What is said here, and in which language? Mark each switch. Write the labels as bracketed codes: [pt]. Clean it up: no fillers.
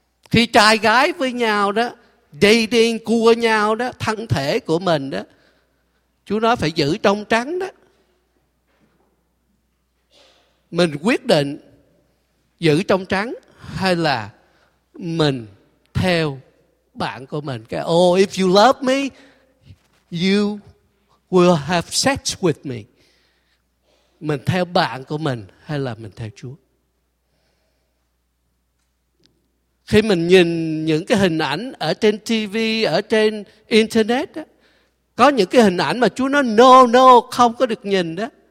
[vi] Khi trai gái với nhau đó, dating cua nhau đó, thân thể của mình đó, Chúa nói phải giữ trong trắng đó. Mình quyết định giữ trong trắng hay là mình theo bạn của mình. [en] Cái, oh, if you love me, you will have sex with me. [vi] Mình theo bạn của mình hay là mình theo Chúa? Khi mình nhìn những cái hình ảnh ở trên TV, ở trên Internet đó, có những cái hình ảnh mà Chúa nói no, no, không có được nhìn đó.